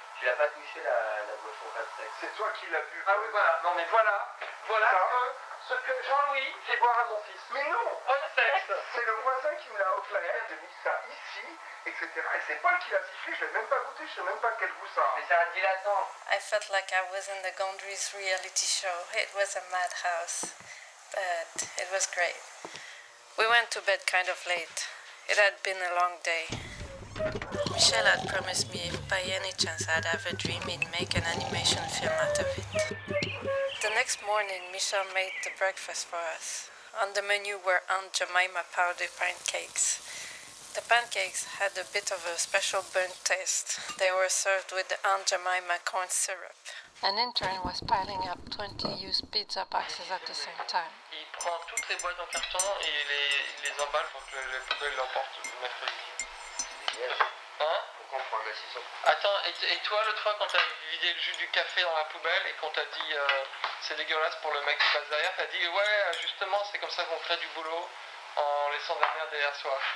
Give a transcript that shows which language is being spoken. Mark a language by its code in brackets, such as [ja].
[fr] Tu l'as pas touché la boisson pastèque. C'est toi qui l'as bu. Ah oui, voilà. Non, mais voilà. Voilà ce que Jean-Louis fait boire à mon fils. Mais non. Au sexe. C'est le voisin qui me l'a offert. Il a mis ça ici, etc. Et c'est Paul qui l'a sifflé. Je ne l'ai même pas goûté. Je ne sais même pas quel goût ça a. Mais c'est un dilatant. [en] I felt like I was in the Gondry's reality show. It was a madhouse. But it was great. We went to bed kind of late. It had been a long day. Michel had promised me if by any chance I'd have a dream, he'd make an animation film out of it. The next morning, Michel made the breakfast for us. On the menu were Aunt Jemima powdered pancakes. The pancakes had a bit of a special burnt taste. They were served with the Aunt Jemima corn syrup. An intern was piling up 20 used pizza boxes at the same time. [fr] Il prend toutes les boîtes en carton et les emballe pour que les poubelles l'emportent le mercredi. C'est génial. Hein? Pourquoi on prend un assis sur... Attends, et toi l'autre fois quand t'as vidé le jus du café dans la poubelle et qu'on t'a dit c'est dégueulasse pour le mec qui passe derrière, t'as dit ouais justement c'est comme ça qu'on crée du boulot en laissant la merde derrière soi.